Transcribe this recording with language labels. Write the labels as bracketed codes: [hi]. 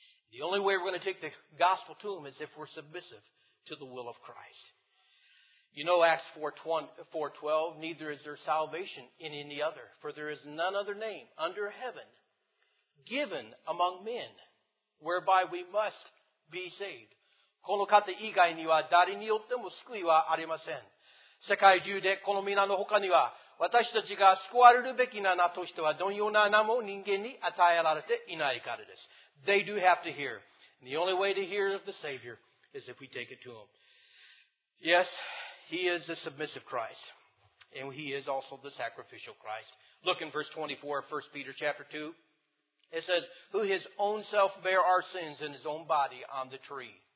[en] The only way we're going to take the gospel to them is if we're submissive to the will of Christ. You know Acts 4:12, neither is there salvation in any other, for there is none other name under heaven given among men whereby we must be saved. [ja] この方以外には誰によっても救いはありません。世界中でこの皆の他には私たちが救われるべき名としてはどのような名も人間に与えられていないからです。 [en] They do have to hear. And the only way to hear of the Savior is if we take it to them. Yes, he is the submissive Christ. And he is also the sacrificial Christ. Look in verse 24 of 1 Peter chapter 2. It says, who his own self bare our sins in his own body on the tree.